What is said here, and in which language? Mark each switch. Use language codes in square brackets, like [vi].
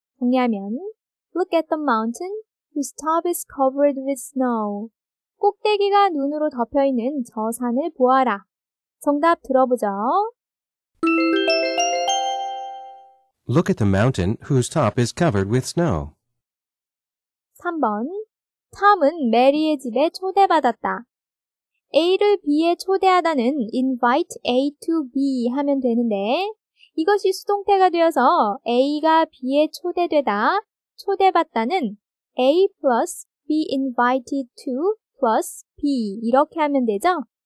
[en] 정리하면 look at the mountain whose top is covered with snow. [ko] 꼭대기가 눈으로 덮여있는 저 산을 보아라. 정답 들어보죠. [en] Look at the mountain whose top is covered with snow. [ko] 3번 Tom은 메리의 집에 초대받았다. A를 B에 초대하다는 invite A to B 하면 되는데 이것이 수동태가 되어서 A가 B에 초대되다, 초대받다는 A plus be invited to plus B 이렇게 하면 되죠.